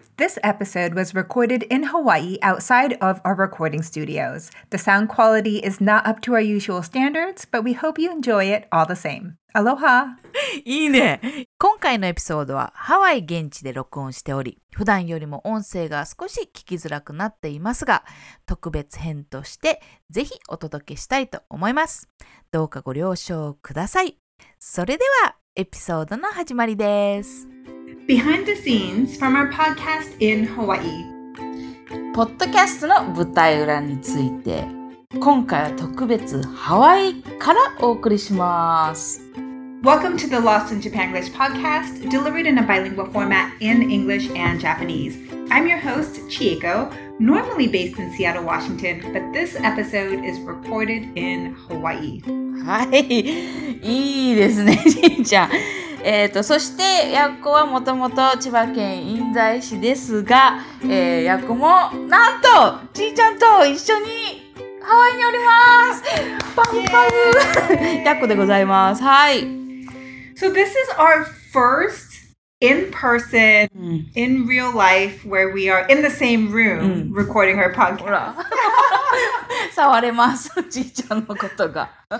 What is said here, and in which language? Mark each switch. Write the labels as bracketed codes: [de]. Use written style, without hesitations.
[en] This episode was recorded in Hawaii outside of our recording studios. The sound quality is not up to our usual standards, but we hope you enjoy it all the same. Aloha! [ja] いいね。今回のエピソードはハワイ現地で録音しており、普段よりも音声が少し聞きづらくなっていますが、特別編としてぜひお届けしたいと思います。どうかご了承ください。それではエピソードの始まりです。 [en] Behind the scenes from our podcast in Hawaii. [ja] ポッドキャストの舞台裏について、今回は特別ハワイからお送りします。 [en] Welcome to the Lost in Japan English podcast, delivered in a bilingual format in English and Japanese. I'm your host, Chieko, normally based in Seattle, Washington, but this episode is recorded in Hawaii. [ja] はい、いいですね、しんちゃん。そしてヤッコはもともと千葉県印西市ですが、ヤッコもなんとちーちゃんと一緒にハワイにおります。パンパンヤッコでございます。はい。 [en] So this is our first in person、うん、in real life where we are in the same room、うん、recording our podcast [ja] 触れますちーちゃんのことが。